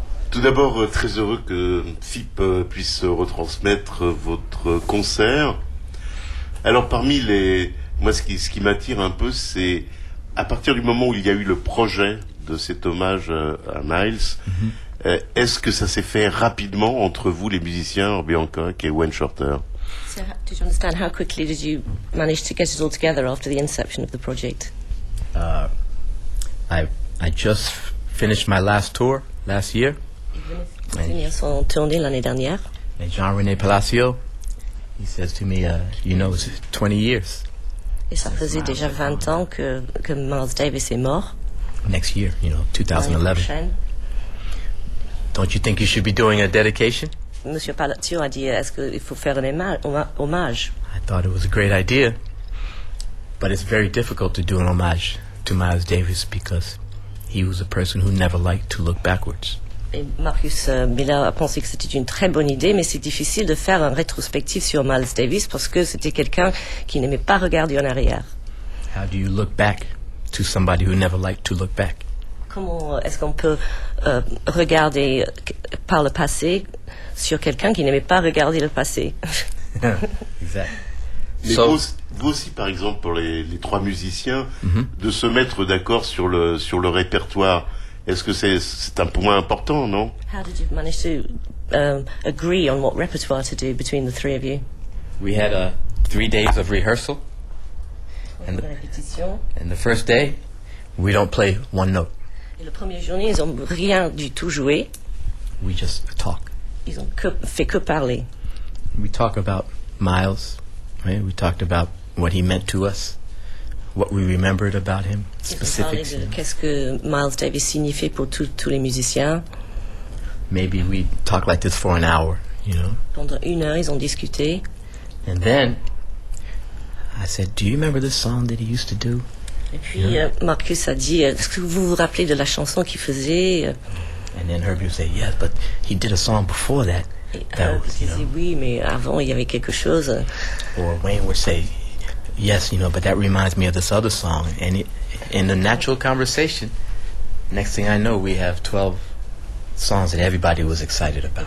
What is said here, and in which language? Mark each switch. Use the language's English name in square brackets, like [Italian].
[French] Tout d'abord, très heureux que FIP puisse retransmettre votre concert. Alors parmi les... Moi, ce qui m'attire un peu, c'est à partir du moment où il y a eu le projet de cet hommage à Miles, est-ce que ça s'est fait rapidement entre vous, les musiciens, Herbie Hancock et Wayne Shorter? [English] So, did you understand how quickly did you manage to get it all together after the inception of the project? I just finished my last tour last year. And Jean-René Palacio, he says to me, you know, it's 20 years. [French] Et ça faisait déjà 20 ans que Miles Davis est mort. [English] Next year, you know, 2011. Don't you think you should be doing a dedication? [French] Monsieur Palacio a dit, est-ce qu'il faut faire un hommage? [English] I thought it was a great idea, but it's very difficult to do an hommage to Miles Davis because he was a person who never liked to look backwards. [French] Et Marcus Miller a pensé que c'était une très bonne idée, mais c'est difficile de faire un rétrospectif sur Miles Davis parce que c'était quelqu'un qui n'aimait pas regarder en arrière. [English] How do you look back to somebody who never liked to look back? [French] Comment est-ce qu'on peut regarder par le passé sur quelqu'un qui n'aimait pas regarder le passé? Exact. Mais vous aussi, par exemple, pour les trois musiciens, de se mettre d'accord sur le répertoire, est-ce que c'est un point important, non? [English] How did you manage to agree on what repertoire to do between the three of you? We had three days of rehearsal. [French] And répétition. [English] And the first day, we don't play one note. [French] Et le premier jour, ils n'ont rien du tout joué. [English] We just talk. [French] Ils ont fait que parler. [English] We talk about Miles. Right? We talked about what he meant to us, what we remembered about him, specifics. [French] Qu'est-ce que Miles Davis signifiait pour tous les musiciens? [English] Maybe we talked like this for an hour, you know. [French] Pendant une heure, ils ont discuté. [English] And then I said, "Do you remember the song that he used to do?" [French] Et puis Marcus a dit, est-ce que vous vous rappelez de la chanson qu'il faisait? [English] And then Herbie said, "Yes, but he did a song before that." That was, you know, [French] oui, mais avant il y avait quelque chose. [English] Or Wayne would say, "Yes, you know, but that reminds me of this other song." And in the natural conversation, next thing I know, we have 12 songs that everybody was excited about.